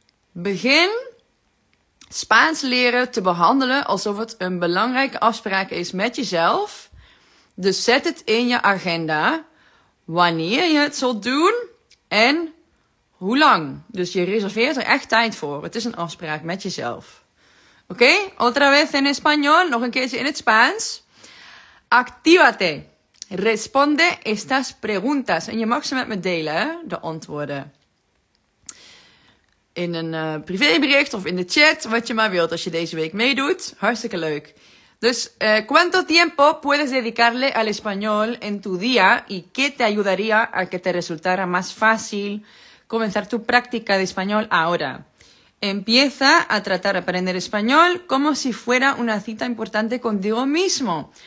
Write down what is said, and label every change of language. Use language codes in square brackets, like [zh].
[nl] Begin Spaans leren te behandelen alsof het een belangrijke afspraak is met jezelf. Dus zet het in je agenda wanneer je het zult doen en hoe lang. Dus je reserveert er echt tijd voor. Het is een afspraak met jezelf. Oké, okay, [es] otra vez en español, [nl] nog een keertje in het Spaans. [es] Actívate, responde estas preguntas. [nl] En je mag ze met me delen, de antwoorden. In een privébericht of in de chat, wat je maar wilt als je deze week meedoet. Hartstikke leuk. [es] Dus, ¿cuánto tiempo puedes dedicarle al español en tu día? ¿Y qué te ayudaría a que te resultara más fácil comenzar tu práctica de español ahora? Empieza a tratar de aprender español como si fuera una cita importante contigo mismo.